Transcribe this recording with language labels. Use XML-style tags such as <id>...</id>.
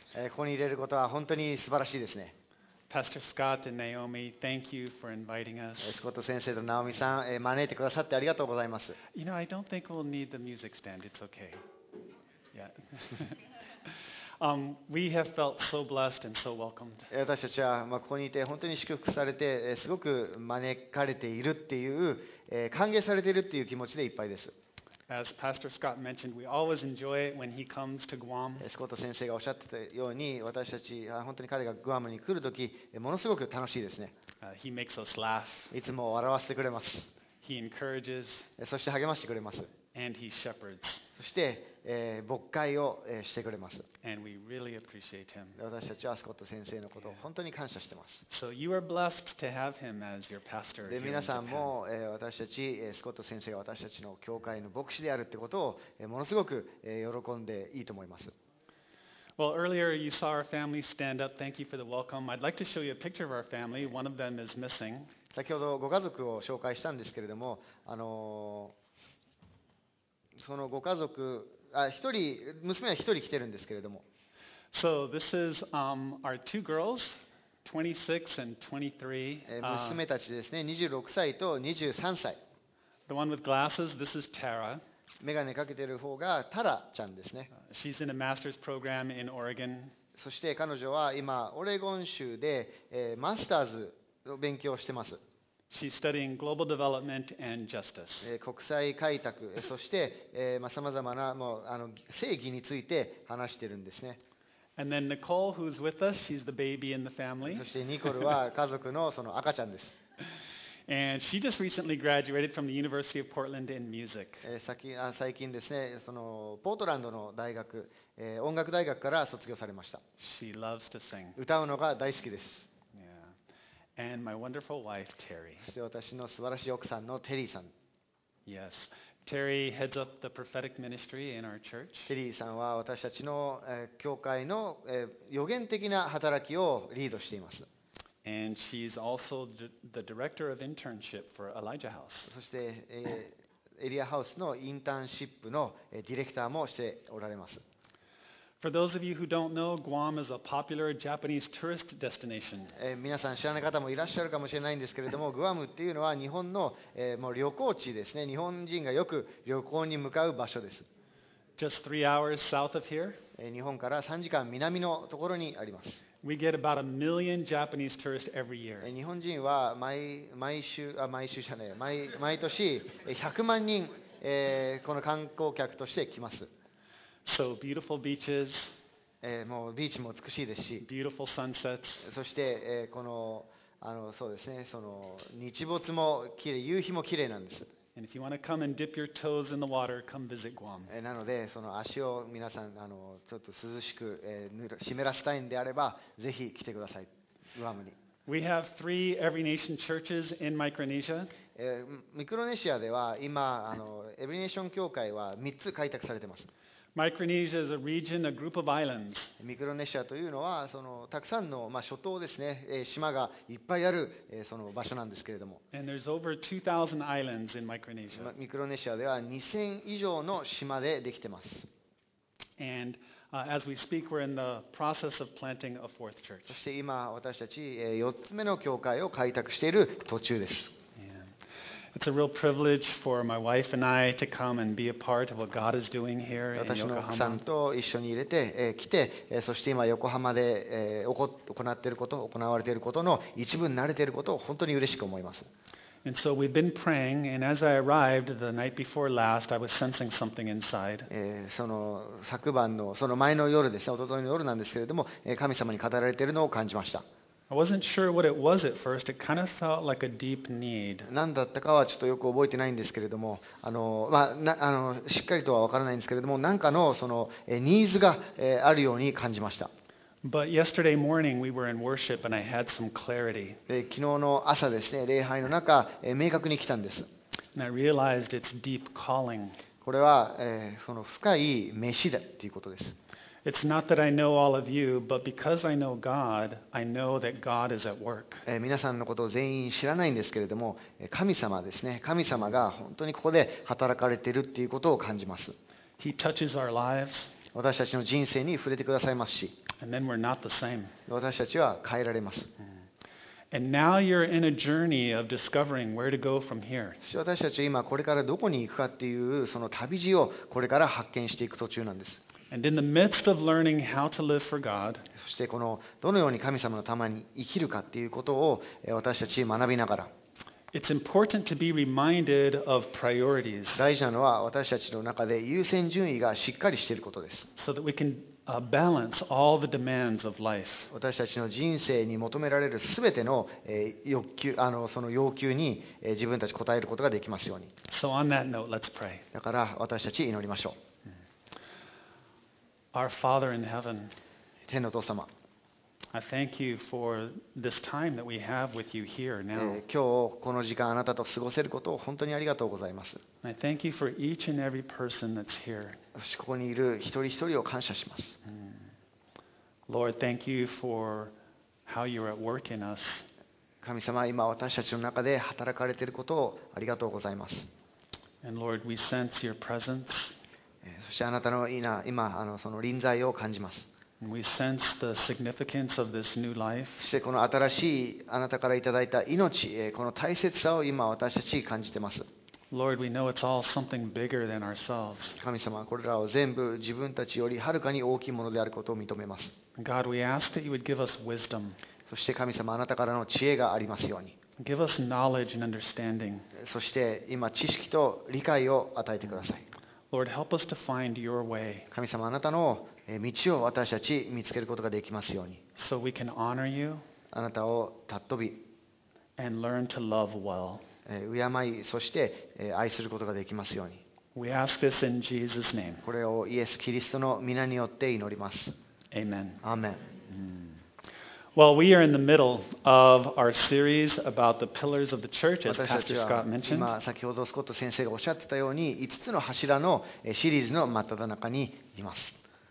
<ja>ここにいれることは本当に素晴らしいですね。</ja> <en>Pastor Scott and Naomi, thank you for inviting us.</en> <ja>Scott 先生と Naomi さん、招いてくださってありがとうございます。</ja> <en>You know, I don't think we'll need the music stand. It's okay. Yeah. we have felt so blessed and so welcomed.</en> <ja>私たちはここにいて本当に祝福されて、すごく招かれているっていう、歓迎されているっていう気持ちでいっぱいです。</ja> <en>As Pastor Scott mentioned, we always enjoy it when he comes to Guam.</en> <ja>スコット先生がおっしゃってたように、私たち本当に彼がグアムに来るとき、ものすごく楽しいですね。</ja> <en>He makes us laugh.</en> <ja>いつも笑わせてくれます。</ja> <en>He encourages.</en> <ja>そして励ましてくれます。</ja> <en>And he shepherds.</en> <ja>そして、牧会を、してくれます。</ja> <en>And we really appreciate him.</en> <ja>私たちはスコット先生のことを本当に感謝しています。</ja> <en>So you are blessed to have him as your pastor.</en> <ja>で、皆さんも、私たち、スコット先生が私たちの教会の牧師であるってことを、ものすごく、喜んでいいと思います。</ja> <en>Well, earlier you saw our family stand up. Thank you for the welcome. I'd like to show you a picture of our family. One of them is missing.</en> <ja>先ほどご家族を紹介したんですけれども、そのご家族、娘は一人来てるんですけれども。</ja> <en>So this is our two girls, 26 and 23.</en> <ja>娘たちですね、26歳と23歳。</ja> <en>The one with glasses, this is Tara.</en> <ja>眼鏡かけてる方がタラちゃんですね。</ja> <en>She's in a master's program in Oregon.</en> <ja>そして彼女は今、オレゴン州で、マスターズを勉強してます。</ja> <en>She's studying global development and justice.</en> <ja>国際開拓、そして、さまざまなもうあの正義について話してるんですね。</ja> <en>And then Nicole, who's with us, she's the baby in the family.</en> <ja>そしてニコルは家族のその赤ちゃんです。</ja> <en>And she just recently graduated from the University of Portland in music.</en> <ja>最近ですね、そのポートランドの大学、音楽大学から卒業されました。</ja> <en>She loves to sing.</en> <ja>歌うのが大好きです。</ja> <en>Yeah. And my wonderful wife, Terry.</en> <ja>そして私の素晴らしい奥さんのテリーさん。</ja> <en>Yes. Terry heads up the prophetic ministry in our church.</en> <ja>テリーさんは私たちの教会の預言的な働きをリードしています。</ja> <en>And she's also the director of internship for Elijah House.</en> <ja>そして、エリアハウスのインターンシップのディレクターもしておられます。</ja> <en>For those of you who don't know, Guam is a popular Japanese tourist destination.</en> <ja>皆さん知らない方もいらっしゃるかもしれないんですけれども、グアムっていうのは日本の、もう旅行地ですね。日本人がよく旅行に向かう場所です。</ja> <en>Just 3 hours south of here.</en> <ja>日本から3時間南のところにあります。</ja> <en>We get about 1 million Japanese tourists every year.</en> <ja>日本人は毎年100万人、この観光客として来ます。</ja> <en>So beautiful beaches.</en> <ja>もうビーチも美しいですし。</ja> <en>Beautiful sunsets.</en> <ja>そして、このあのそうですね、その日没も綺麗、夕日も綺麗なんです。</ja> <en>And if you want to come and dip your toes in the water, come visit Guam.</en> <ja>なので、その足を皆さん、あのちょっと涼しく、湿らしたいんであれば、ぜひ来てください、グアムに。</ja> <en>We have 3 Every Nation churches in Micronesia.</en> <ja>ミクロネシアでは今、あの Every Nation 教会は3つ開拓されています。</ja> <en>Micronesia is a region, a group of islands.</en> <ja>ミクロネシアというのは、そのたくさんの、まあ、諸島ですね、島がいっぱいある、その場所なんですけれども。</ja> <en>And there's over 2,000 islands in Micronesia.</en> <ja>ミクロネシアでは2000以上の島でできてます。</ja> <en>And, as we speak, we're in the process of planting a fourth church.</en> <ja>そして今、私たち、4つ目の教会を開拓している途中です。</ja> <en>It's a real privilege for my wife and I to come and be a part of what God is doing here in Yokohama.</en> <ja>私の奥さんと一緒に入れて、来て、そして今横浜で、行っていること、行われていることの一部になれていることを本当に嬉しく思います。</ja> <en>And so we've been praying, and as I arrived the night before last, I was sensing something inside.</en> <ja>その昨晩のその前の夜ですね、一昨日の夜なんですけれども、神様に語られているのを感じました。</ja> <en>I wasn't sure what it was at first. It kind of felt like a deep need.</en> <ja>何だったかはちょっとよく覚えてないんですけれども、しっかりとは分からないんですけれども、何かのそのニーズがあるように感じました。</ja> <en>But yesterday morning we were in worship and I had some clarity.</en> <ja>昨日の朝ですね、礼拝の中、明確に来たんです。</ja> <en>And I realized it's deep calling.</en> <ja>これは、その深い召しだということです。</ja> <en>It's not that I know all of you, but because I know God, I know that God is at work.</en> <ja>皆さんのことを全員知らないんですけれども、神様ですね。神様が本当にここで働かれているということを感じます。</ja> <en>He touches our lives.</en> <ja>私たちの人生に触れてくださいますし。</ja> <en>And then we're not the same.</en> <ja>私たちは変えられます。</ja> <en>And now you're in a journey of discovering where to go from here.</en> <ja>私たちは今これからどこに行くかっていうその旅路をこれから発見していく途中なんです。</ja> <en>And in the midst of learning how to live for God,</en> <ja>そしてこのどのように神様のために生きるかっていうことを私たち学びながら、</ja> <en>It's important to be reminded of priorities.</en> <ja>大事なのは私たちの中で優先順位がしっかりしていることです。</ja> <en>So that we can balance all the demands of life.</en> <ja>私たちの人生に求められるすべての欲求、その要求に自分たち応えることができますように。</ja> <en>So on that note, let's pray.</en> <ja>だから私たち祈りましょう。</ja> <en>Our Father in heaven,</en> <ja>天のお父様、</ja> <en>I thank you for this time that we have with you here now.</en> <ja>今日この時間あなたと過ごせることを本当にありがとうございます。</ja> <en>I thank you for each and every person that's here.</en> <ja>私ここにいる一人一人を感謝します。</ja> <en>Lord, thank you for how you're at work in us.</en> <ja>神様、今私たちの中で働かれていることをありがとうございます。</ja> <en>And Lord, we sense your presence.</en> <ja>そしてあなたの今その臨在を感じます。そしてこの新しいあなたからいただいた命、この大切さを今私たち感じています。神様、これらを全部自分たちよりはるかに大きいものであることを認めます。そして神様、あなたからの知恵がありますように。</ja> <en>Give us knowledge and understanding.</en> <ja>そして今知識と理解を与えてください。</ja> <en>Lord, help us to find your way.</en> <ja>神様、あなたの道を私たち見つけることができますように。</ja> <en>So we can honor you.</en> <ja>あなたを尊び。</ja> <en>And learn to love well.</en> <ja>敬い、そして愛することができますように。</ja> <en>We ask this in Jesus' name.</en> <ja>これをイエス・キリストの御名によって祈ります。</ja> <en>Amen. Amen. Well, we are in the middle of our series about the pillars of the church, as Pastor Scott mentioned.</en> <ja>私たちは今先ほどスコット先生がおっしゃってたように5つの柱のシリーズの真っ只中にいます。</ja>